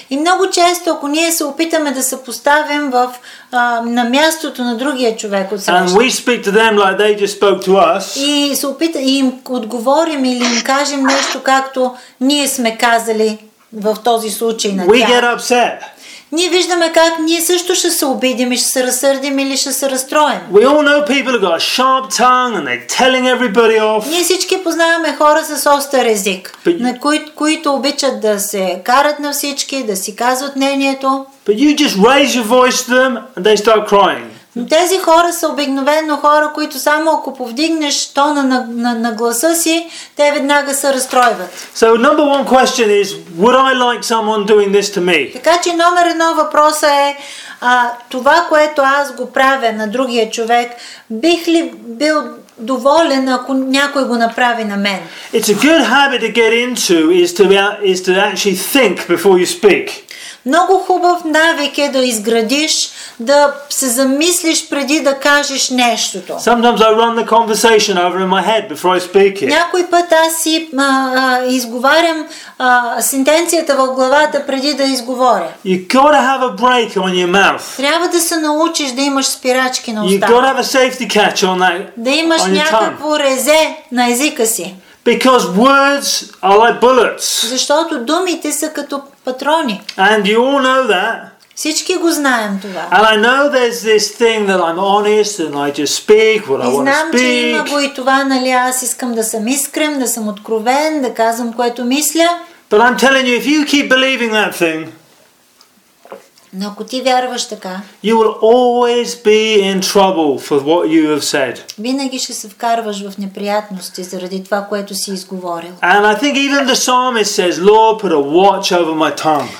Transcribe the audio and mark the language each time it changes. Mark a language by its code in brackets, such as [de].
[bg] и много често, ако ние се опитаме да се поставим в на мястото на другия човек, [en] and we speak to them like they just spoke to us, [bg] и им отговорим или им кажем нещо както ние сме казали в този случай на тях, [en] we get upset. [bg] Ние виждаме как ние също ще се обидим и ще се разсърдим или ще се разстроим. [en] We all know people who got a sharp tongue and they're telling everybody off. [bg] Ние всички познаваме хора с остър език, на които обичат да се карат на всички, да си казват мнението. [en] But you just raise your voice to them and they start crying. [bg] Но тези хора са обикновено хора, които само ако повдигнеш тона на гласа си, те веднага се разстройват. [en] So number one question is, would I like someone doing this to me? [bg] Така че номер едно въпроса е, това, което аз го правя на другия човек, бих ли бил доволен, ако някой го направи на мен? [en] It's a good habit to get into is to actually think before you speak. [bg] Много хубав навик е да изградиш, да се замислиш преди да кажеш нещото. [en] Sometimes I run the conversation over in my head before I speak it. [bg] Някой път аз си изговарям сентенцията в главата преди да изговоря. [en] You gotta have a break on your mouth. [bg] Трябва да се научиш да имаш спирачки на устата. [en] You gotta have a safety catch on that. [bg] Да имаш някакво резе на езика си. [en] Because words are like bullets. [bg] Защото думите са като патрони. [en] And you all know that. [bg] Всички го знаем това. [en] And I know there's this thing that I'm honest and I just speak what I want to speak. [bg] И знам, че има го и това, нали, аз искам да съм искрен, да съм откровен, да казвам което мисля. [en] But I'm telling you, if you keep believing that thing, [bg] но ако ти вярваш така, [en] you will always be in trouble for what you have said. [bg] Винаги ще се вкарваш в неприятности заради това, което си изговорил. [en] And I think even the psalmist says, Lord, put a watch over my tongue.